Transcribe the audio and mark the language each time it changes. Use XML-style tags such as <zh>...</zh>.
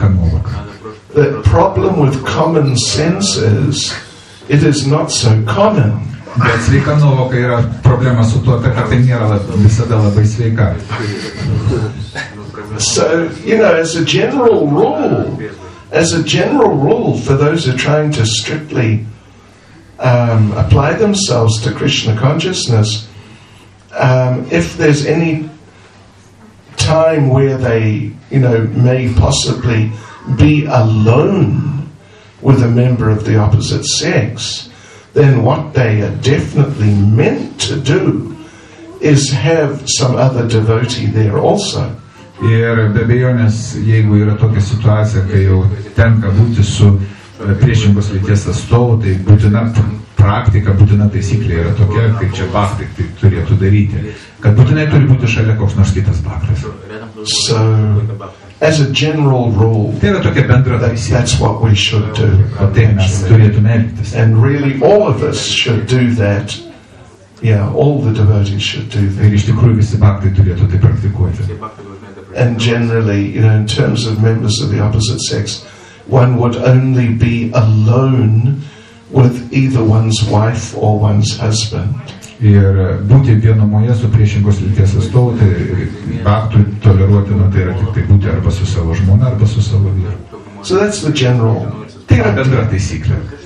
<en>The problem with common sense is, it is not so common.</en> <lt>Bet sveika nuovoka yra problema su tuo, kad tai nėra visada labai sveika.</lt> <en>So, you know, as a general rule, for those who are trying to strictly apply themselves to Krishna consciousness, if there's any time where they, you know, may possibly be alone with a member of the opposite sex, then what they are definitely meant to do is have some other devotee there also.</en> <lt>Ir be abejonės, jeigu yra tokia situacija, kai jau tenka būti su priešingos lyties atstovu, tai būtina praktika, būtina taisyklė yra tokia, kaip čia bhakti tai turėtų daryti, kad būtinai turi būti šalia koks nors kitas bhaktas.</lt> <en>So, as a general rule,</en> <lt>tai yra tokia bendra taisyklė.</lt> <en>That's what we should do.</en> <lt>O tai mes turėtume elgtis.</lt> <en>And really all of us should do that. Yeah, all the devotees should do that.</en> <lt>Ir iš tikrųjų visi bhaktai turėtų tai praktikuoti.</lt> <en>And generally, you know, in terms of members of the opposite sex, one would only be alone with either one's wife or one's husband.</en> <lt>Ir būti vienumoje su priešingos lyties atstovu, tai baktų toleruotina, tai yra tik tai būti arba su savo žmona, arba su savo vyru.</lt> <en>So that's the general.</en> <lt>Tai yra bendra taisyklė.</lt>